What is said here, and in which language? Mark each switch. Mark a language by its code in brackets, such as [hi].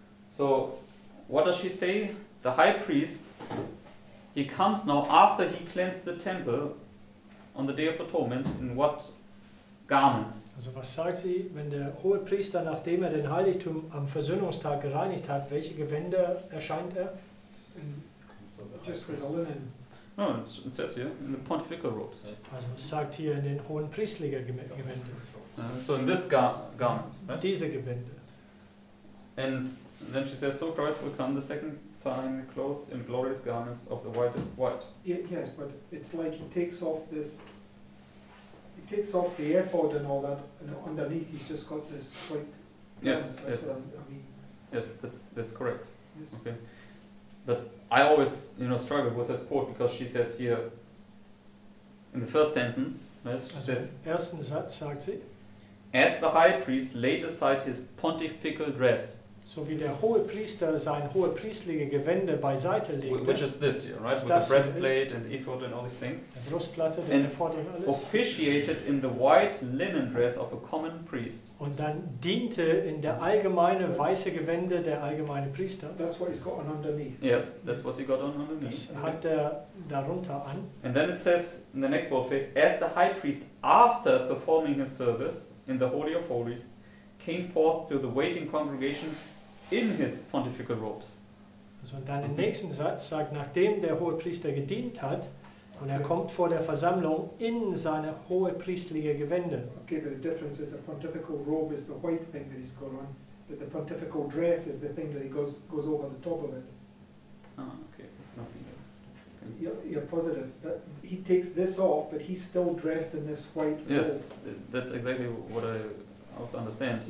[en] So what does she say? The high priest, he comes now after he cleansed the temple on the Day of Atonement, in what garments? [de] Also was sagt sie, wenn der hohe Priester, nachdem den Heiligtum am Versöhnungstag gereinigt hat, welche Gewänder erscheint er? [en] It says here, in the pontifical robes. [de] Also es sagt hier, in den hohen priesterlichen Gewänder. [en] So in this garments, right? [de] Diese Gewänder. [en] And then she says, so Christ will come the second time clothed in glorious garments of the whitest white. Yes, but it's like he takes off the ephod and all that, and underneath he's just got this white. Yes, that's correct. Yes. Okay. But I always, you know, struggle with this quote because she says here in the first sentence, right, she [de] says, ersten Satz sagt sie, [en] as the high priest laid aside his pontifical dress. [de] So wie der hohe Priester sein hohe priestliche Gewände beiseite legte. [en] Which is this here, right? With the breastplate and the ephod and all these things. [de] Der Brustplatte, der ephod und alles. [en] Officiated in the white linen dress of a common priest. [de] Und dann diente in der allgemeine weiße Gewände der allgemeine Priester. [en] That's what he's got on underneath. Yes, that's what he got on underneath. [de] Das hat er darunter an. [en] And then it says in the next word phrase, as the high priest after performing his service in the Holy of Holies came forth to the waiting congregation in his pontifical robes. [de] Also und dann im nächsten Satz sagt, nachdem der hohe Priester gedient hat, und er kommt vor der Versammlung in seine hohe priesterliche Gewände. [en] Okay, but the difference is the pontifical robe is the white thing that he's got on, but the pontifical dress is the thing that he goes over the top of it. Ah, okay. Okay. You're positive. That he takes this off, but he's still dressed in this white robe. Yes, that's exactly what I also understand,